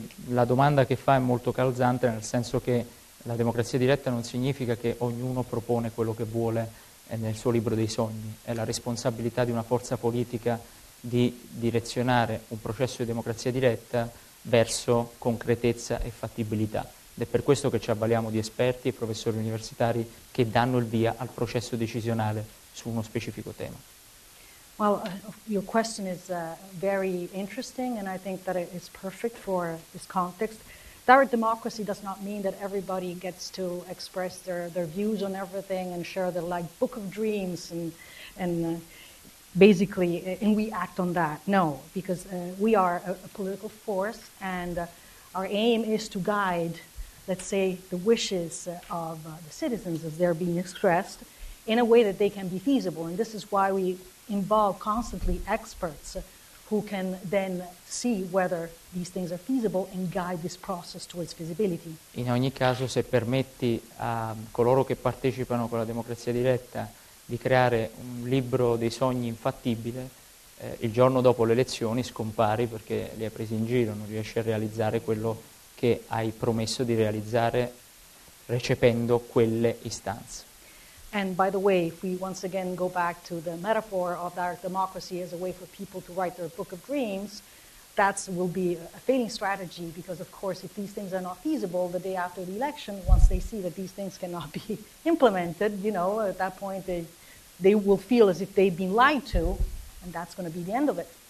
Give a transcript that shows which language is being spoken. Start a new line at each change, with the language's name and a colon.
Italian: La domanda che fa è molto calzante, nel senso che la democrazia diretta non significa che ognuno propone quello che vuole nel suo libro dei sogni, è la responsabilità di una forza politica di direzionare un processo di democrazia diretta verso concretezza e fattibilità. Ed è per questo che ci avvaliamo di esperti e professori universitari che danno il via al processo decisionale su uno specifico tema.
English: Well, your question is very interesting, and I think that it is perfect for this context. Direct democracy does not mean that everybody gets to express their views on everything and share their like book of dreams and we act on that. No, because we are a political force, and our aim is to guide, let's say, the wishes of the citizens as they're being expressed in a way that they can be feasible, and this is why we involve constantly experts who can then see whether these things are feasible and guide this process towards feasibility.
Italian: In ogni caso, se permetti a coloro che partecipano con la democrazia diretta di creare un libro dei sogni infattibile, il giorno dopo le elezioni scompari perché li hai presi in giro, non riesci a realizzare quello che hai promesso di realizzare recependo quelle istanze.
English: And by the way, if we once again go back to the metaphor of our democracy as a way for people to write their book of dreams, that will be a failing strategy because, of course, if these things are not feasible the day after the election, once they see that these things cannot be implemented, you know, at that point they will feel as if they've been lied to, and that's going to be the end of it.